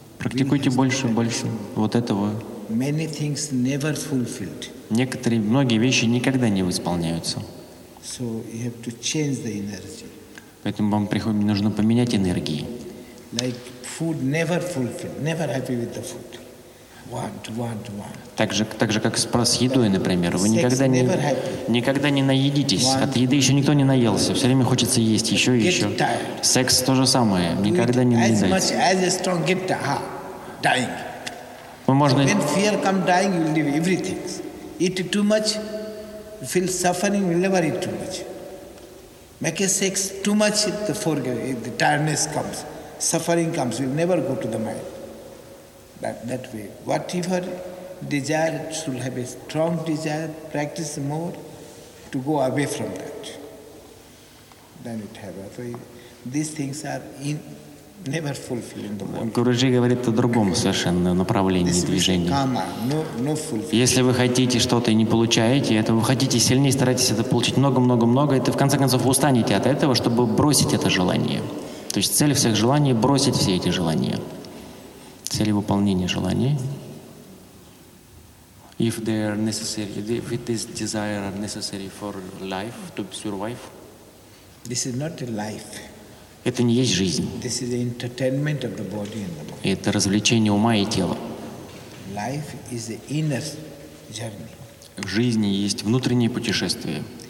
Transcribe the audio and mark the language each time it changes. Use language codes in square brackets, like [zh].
[ru] Практикуйте больше и больше вот этого. [en] Many things never fulfilled. [ru] Некоторые, многие вещи никогда не исполняются. [en] So you have to change the energy. [ru] Поэтому вам приходит, нужно поменять энергии. [en] Like food never fulfilled, never happy with the food. Want. [ru] Так же, как с едой, например. Вы никогда не наедитесь. От еды еще никто не наелся. Все время хочется есть еще и еще. Секс то же самое. Никогда не [en] That way, whatever desire should have a strong desire, practice more to go away from that. Then it happens. So these things are never fulfilled in the world. [ru] Гуруджи говорит о другом совершенно направлении движения. [en] Karma, no fulfilled. [ru] Если вы хотите что-то и не получаете, это вы хотите сильнее, старайтесь это получить много, это в конце концов устанете от этого, чтобы бросить это желание. То есть цель всех желаний – бросить все эти желания. Цель выполнения желаний. [en] If they are necessary, if this desire are necessary for life, to survive. This is not a life. [ru] Это не есть жизнь. [en] This is the entertainment of the body and the mind. [ru] Это развлечение ума и тела. [en] Life is the inner journey. [ru] В жизни есть внутреннее путешествие.